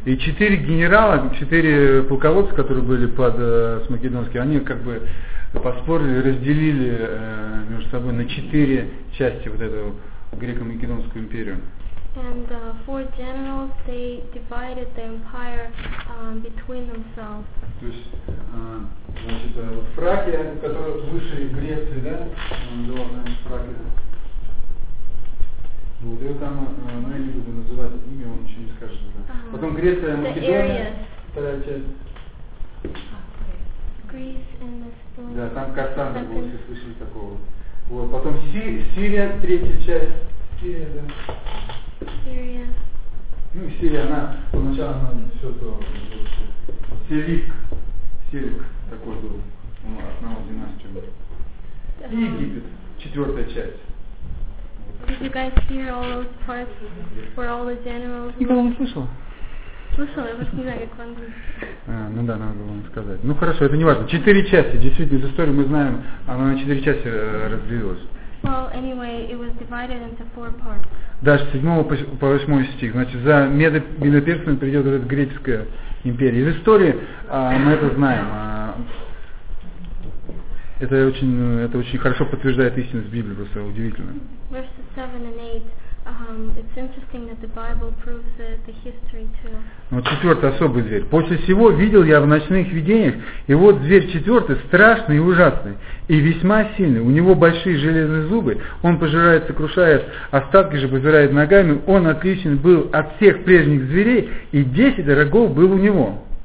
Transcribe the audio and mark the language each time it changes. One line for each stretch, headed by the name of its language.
Russian: И четыре генерала, четыре полководца, которые были под с Македонским, они как бы поспорили, разделили между собой на четыре части вот эту греко-македонскую империю.
English: And four generals, they divided the empire between themselves.
Russian: То есть, значит, вот Фракия, которая выше Греции, да, главная Фракия. Вот ее там, ну я не буду называть имя, он ничего не скажет. Да. Uh-huh. Потом Греция, Македония, вторая часть.
English: Greece and Macedonia.
Russian: Да, там Кассандра была, все слышали такого. Вот, потом Сирия, третья часть. Сирия, да. Сирия. Ну и Сирия, она поначалу она все то вообще. Селик такой был, он основал династию. И Египет, четвертая часть.
English: Did you guys hear all those parts for all the generals?
Russian: Никого не слышал. Слышала, я просто не знаю, как вам. Ну да, надо вам сказать. Ну хорошо, это не важно. Четыре части, действительно, из истории мы знаем, она на четыре части разделилась.
English: Well, anyway, it was divided into four parts.
Russian: Дальше, 7-8 стих. Значит, за Медоперсами придет эта греческая империя. Из истории мы это знаем. Это очень хорошо подтверждает истинность Библии, просто удивительно.
English: Verses 7 and 8. It's interesting that the Bible proves the history too.
Russian: Вот четвертый особый зверь. После всего видел я в ночных видениях, и вот зверь четвертый, страшный и ужасный, и весьма сильный. У него большие железные зубы, он пожирает, сокрушает, остатки же пожирает ногами. Он отличен был от всех прежних зверей, и 10 рогов было у него.